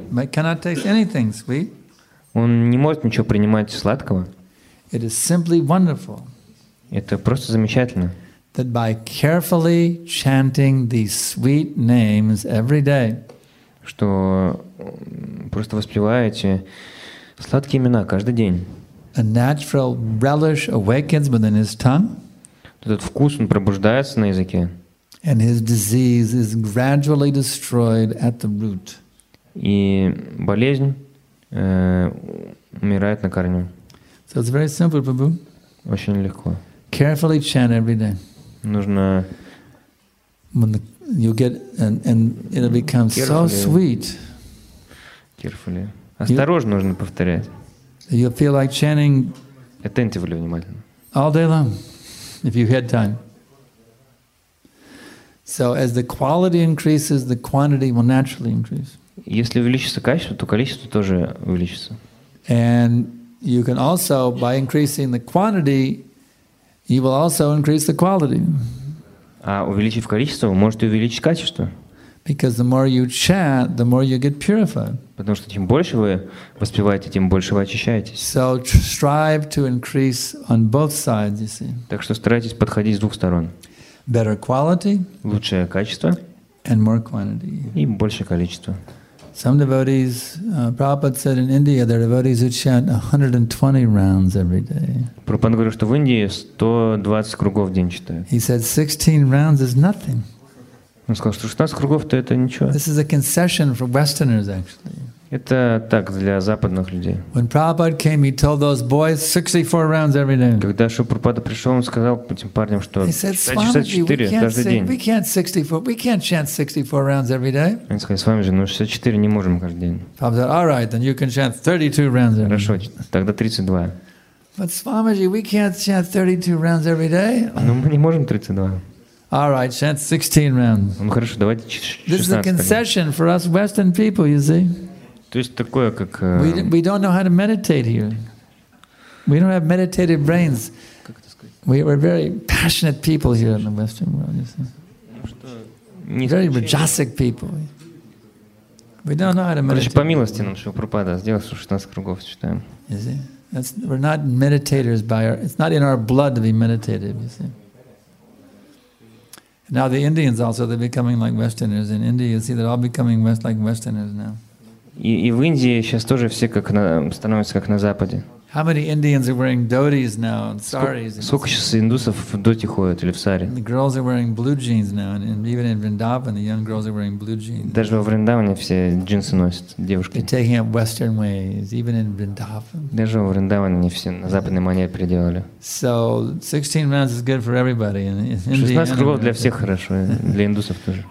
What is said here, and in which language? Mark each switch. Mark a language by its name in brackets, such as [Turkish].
[English] Cannot taste anything sweet. [Russian] Он не может ничего принимать сладкого. [English] It is simply wonderful. [Russian] Это просто замечательно. [English] That by carefully chanting these sweet names every day. [Russian] Что просто воспеваете сладкие имена каждый день. [English] A natural relish awakens within his tongue. [Russian] Этот вкус он пробуждается на языке. [English] And his disease is gradually destroyed at the root. [Russian] И болезнь умирает на корню. [English] So it's very simple, Prabhu. [Russian] Очень легко. [English] Carefully chant every day. [Russian] Нужно. [English] When you get and it'll become so sweet. Carefully. [Russian] Осторожно нужно повторять. [English] You feel like chanting. Attentively, [Russian] внимательно. [English] All day long, if you had time. So as the quality increases, the quantity will naturally increase. [Russian] Если увеличится качество, то количество тоже увеличится. [English] And you can also, by increasing the quantity, you will also increase the quality. [Russian] А увеличив количество, вы можете увеличить качество. [English] Because the more you chant, the more you get purified. [Russian] Потому что чем больше вы воспеваете, тем больше вы очищаетесь. [English] So strive to increase on both sides, you see. [Russian] Так что старайтесь подходить с двух сторон. [English] Better quality, [Russian] лучшее качество, [English] and more quantity, [Russian] и большее количество. [English] Some devotees, Prabhupada said in India, there are devotees who chant 120 rounds every day. [Russian] Прабхупада говорил, что в Индии 120 кругов в день читают. [English] He said 16 rounds is nothing. [Russian] Он сказал, что 16 кругов то это ничего. [English] This is a concession for Westerners, actually. [Russian] Это так для западных людей. [English] When Prabhupada came, he told those boys 64 rounds every day. [Russian] Когда Шрила Прабхупада пришел, он сказал этим парням, что 64 каждый день. [English] We can't 64. We can't chant 64 rounds every day. [Russian] Он сказал, с вами же, но 64 не можем каждый день. [English] Prabhupada said, all right, then you can chant 32 rounds every day. [Russian] Хорошо, тогда 32. [English] But Swamiji, we can't chant 32 rounds every day. [Russian] Но мы не можем 32. [English] All right, chant 16 rounds. [Russian] Ну хорошо, давайте 16. [English] This is a concession for us Western people, you see. [Russian] То есть такое, как. [English] We don't know how to meditate here. We don't have meditative brains. We're very passionate people here in the Western world, you see. Very rajasic people. We don't know how to meditate. [Russian] По милости нам Шрила Прабхупада сделал, что 16 кругов читаем. [English] You see? That's, we're not meditators by our. It's not in our blood to be meditative, you see. Now the Indians also, they're becoming like Westerners. In India, you see, they're all becoming like Westerners now. [Russian] И в Индии сейчас тоже все как становятся как на Западе. [English] How many Indians are wearing dhotis now and saris? [Russian] Сколько сейчас индусов в доте ходят или в саре? [English] The girls are wearing blue jeans now, and even in Vrindavan, the young girls are wearing blue jeans. [Russian] Даже во Вриндаване все джинсы носят девушки. [English] They're taking up Western ways, even in Vrindavan. [Russian] Даже во Вриндаване не все на западный манер переделали. [English] So 16 rounds is good for everybody. [Russian] 16 кругов для всех хорошо, для индусов тоже.